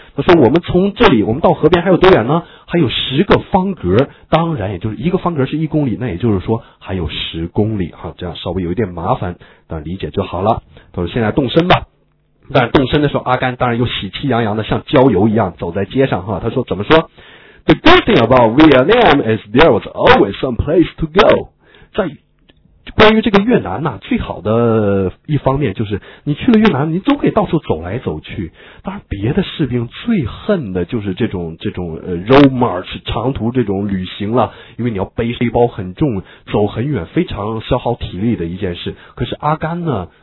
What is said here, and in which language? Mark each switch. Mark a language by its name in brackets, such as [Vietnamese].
[Chinese] 他说我们从这里我们到河边还有多远呢？还有10个方格，当然也就是一个方格是1公里，那也就是说还有10公里哈，这样稍微有一点麻烦，但理解就好了。他说现在动身吧。但动身的时候阿甘当然又喜气洋洋的像郊游一样走在街上哈。他说怎么说？ [English] The good thing about Vietnam is there was always some place to go. [Chinese] 在关于这个越南呢、啊，最好的一方面就是你去了越南，你都可以到处走来走去。当然，别的士兵最恨的就是这种road march 长途这种旅行了，因为你要背背包很重，走很远，非常消耗体力的一件事。可是阿甘呢？